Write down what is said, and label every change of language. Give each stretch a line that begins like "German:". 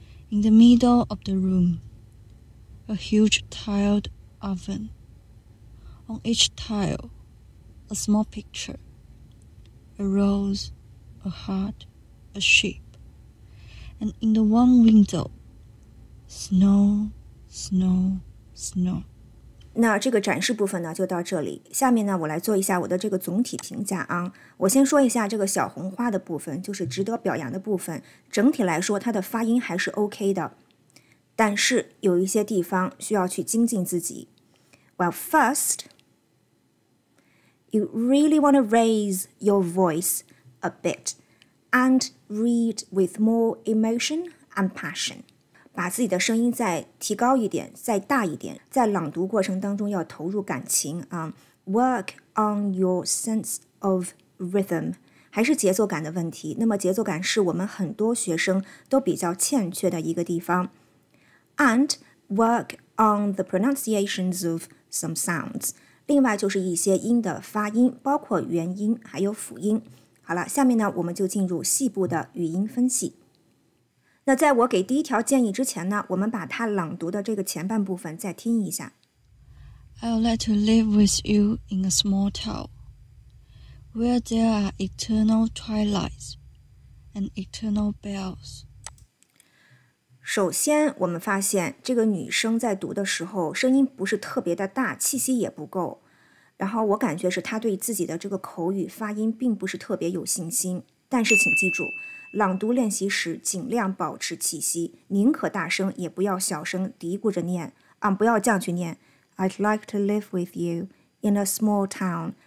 English: In the middle of the room, a huge tiled oven, on each tile. A small picture, a rose, a heart, a sheep. And in the one window, snow, snow, snow.
Chinese: 那这个展示部分呢就到这里。下面呢我来做一下我的这个总体评价啊。我先说一下这个小红花的部分，就是值得表扬的部分。整体来说它的发音还是 OK 的。但是有一些地方需要去精进自己。
English: Well, first,You really want to raise your voice a bit and read with more emotion and passion.
Chinese: 把自己的声音再提高一点，再大一点，在朗读过程当中要投入感情啊。
English: Work on your sense of rhythm.
Chinese: 还是节奏感的问题。那么节奏感是我们很多学生都比较欠缺的一个地方。
English: And work on the pronunciations of some sounds.
Chinese: 另外就是一些音的发音，包括元音还有辅音。好了，下面呢我们就进入细部的语音分析。那在我给第一条建议之前呢，我们把它朗读的这个前半部分再听一下。
English: I would like to live with you in a small town where there are eternal twilights and eternal bells.
Chinese: 首先我们发现这个女生在读的时候声音不是特别的大，气息也不够，然后我感觉是他对自己的这个口语发音并不是特别有信心。但是请记住，朗读练习时尽量保持气息，宁可大声也不要小声嘀咕着念啊，不要这样去念
English: I'd like to live with you in a small town。